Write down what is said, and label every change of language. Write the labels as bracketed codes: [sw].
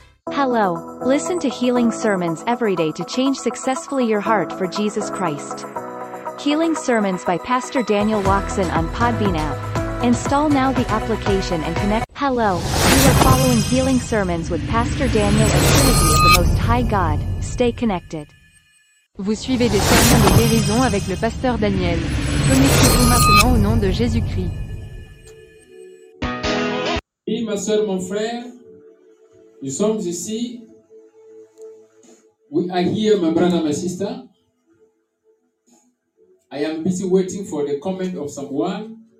[en] Hello. Listen to Healing Sermons every day to change successfully your heart for Jesus Christ. Healing Sermons by Pastor Daniel Waxson on Podbean app. Install now the application and connect. Hello. You are following Healing Sermons with Pastor Daniel and Trinity of the Most High God. Stay connected. [fr] Vous suivez des sermons de guérison avec le pasteur Daniel. Connectez-vous maintenant au nom de Jésus-Christ. Oui, ma soeur, mon frère, nous sommes ici. [en] We are here, my brother and my sister. I am busy waiting for the comment of someone.